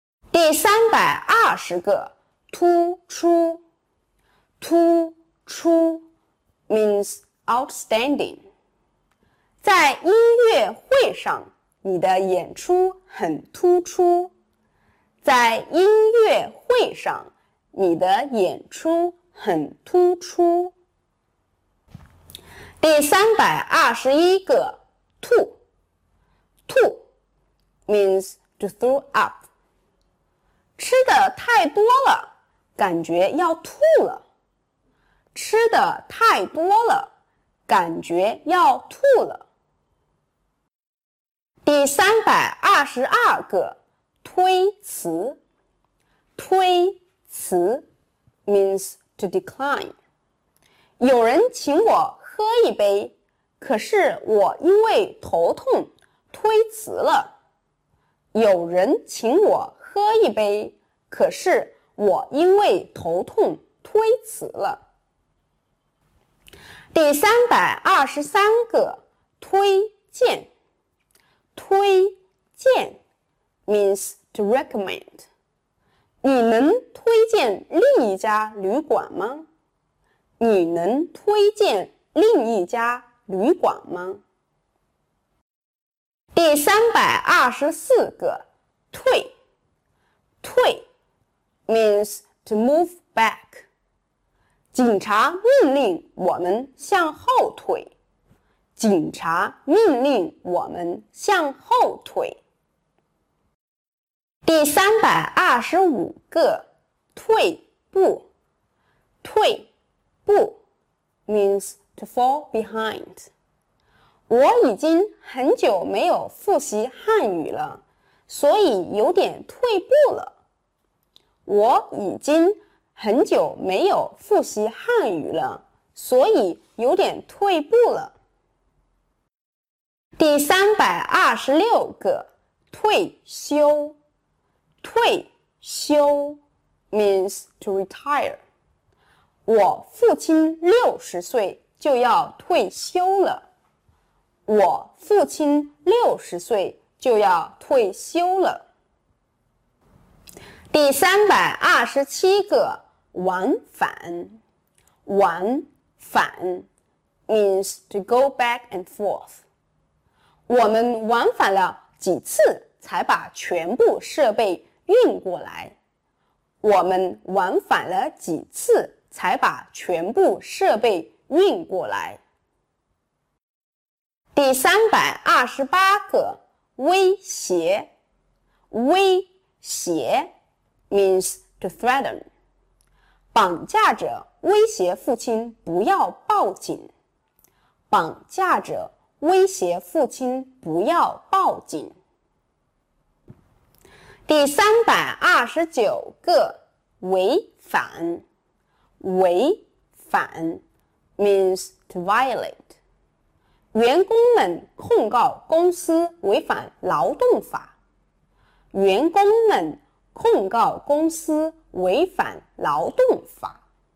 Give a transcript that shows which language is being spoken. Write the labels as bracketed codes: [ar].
[zh] 第320个突出，突出 [en] means outstanding。 [zh] 在音乐会上。你的演出很突出，在音乐会上，你的演出很突出。第321个，吐，吐 [en] means to throw up。 [zh] 吃的太多了，感觉要吐了。吃的太多了，感觉要吐了。第322个推辞，推辞 [en] means to decline。 [zh] 有人请我喝一杯，可是我因为头痛推辞了。有人请我喝一杯，可是我因为头痛推辞了。第323个推荐。 [en] 推荐 means to recommend。 [zh] 你能推荐另一家旅馆吗？你能推荐另一家旅馆吗？第324个，退，退 [en] means to move back。 [zh] 警察命令我们向后退。警察命令我们向后退。第325个，退步，退步 [en] means to fall behind。 [zh] 我已经很久没有复习汉语了，所以有点退步了。我已经很久没有复习汉语了，所以有点退步了。第326个退休，退休 [en] means to retire. [zh] 我父亲六十岁就要退休了。我父亲六十岁就要退休了。第327个，往返。 [en] 往返 means to go back and forth. [zh] 我们往返了几次才把全部设备运过来。我们往返了几次才把全部设备运过来。第328个，威胁。 [en] 威胁 means to threaten. [zh] 绑架者威胁父亲不要报警。绑架者威胁父亲不要报警。第329个，违反。 [en] 违反 means to violate. [zh] 员工们控告公司违反劳动法。员工们控告公司违反劳动法。